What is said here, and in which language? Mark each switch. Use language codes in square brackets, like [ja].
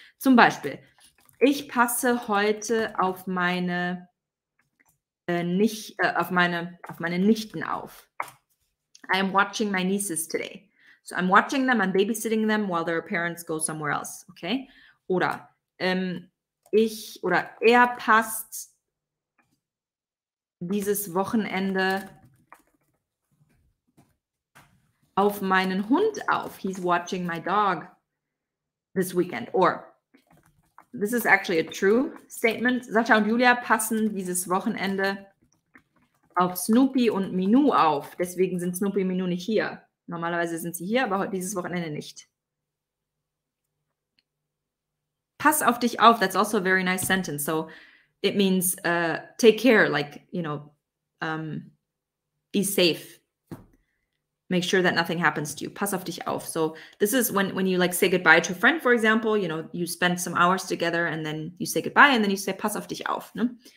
[de] Zum Beispiel, ich passe heute auf meine nicht auf meine Nichten auf. [en] I am watching my nieces today. So I'm watching them, I'm babysitting them while their parents go somewhere else. Okay. [de] Oder ich oder er passt dieses Wochenende auf meinen Hund auf. [en] He's watching my dog this weekend. Or, this is actually a true statement. [de] Sascha und Julia passen dieses Wochenende auf Snoopy und Minou auf. Deswegen sind Snoopy und Minou nicht hier. Normalerweise sind sie hier, aber dieses Wochenende nicht. Pass auf dich auf. [en] That's also a very nice sentence. So it means take care, like, you know, be safe. Make sure that nothing happens to you. [de] Pass auf dich auf. [en] So this is when you like say goodbye to a friend, for example, you know, you spend some hours together and then you say goodbye and then you say [de] pass auf dich auf. [en] Ne?